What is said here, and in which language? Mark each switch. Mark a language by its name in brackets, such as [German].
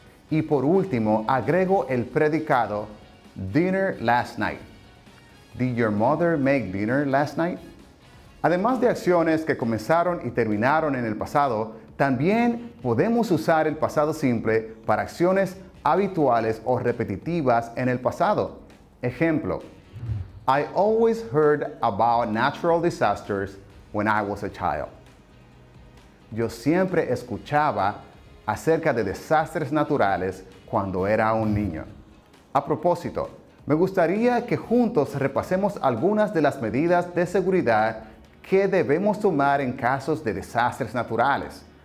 [Spanish] Y por último, agrego el predicado [English] dinner last night. Did your mother make dinner last night? [Spanish] Además de acciones que comenzaron y terminaron en el pasado, también podemos usar el pasado simple para acciones habituales o repetitivas en el pasado. [English] Ejemplo, I always heard about natural disasters when I was a child. [Spanish] Yo siempre escuchaba acerca de desastres naturales cuando era un niño. A propósito, Me gustaría que juntos repasemos algunas de las medidas de seguridad que debemos tomar en casos de desastres naturales.